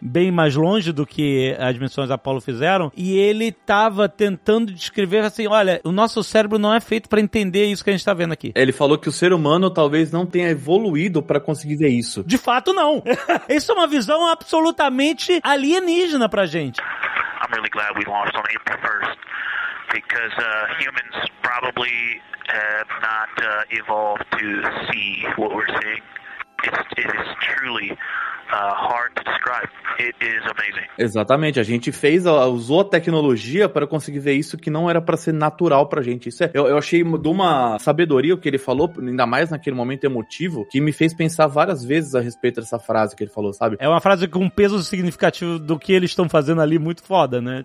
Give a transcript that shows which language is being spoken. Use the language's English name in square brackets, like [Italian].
[Portuguese] Bem mais longe do que as missões Apolo fizeram. E ele tava tentando descrever assim, olha, o nosso cérebro não é feito pra entender isso que a gente tá vendo aqui. Ele falou que o ser humano talvez não tenha evoluído pra conseguir ver isso. De fato, não. Isso é uma visão absolutamente alienígena pra gente. [English] I'm really glad we launched on April 1st because humans probably have not evolved to see what we're seeing. It is truly hard to describe. It is amazing. [Portuguese] Exatamente, a gente fez, usou a tecnologia para conseguir ver isso que não era para ser natural pra gente. Isso é, eu achei de uma sabedoria o que ele falou, ainda mais naquele momento emotivo, que me fez pensar várias vezes a respeito dessa frase que ele falou, sabe? É uma frase com um peso significativo do que eles estão fazendo ali, muito foda, né?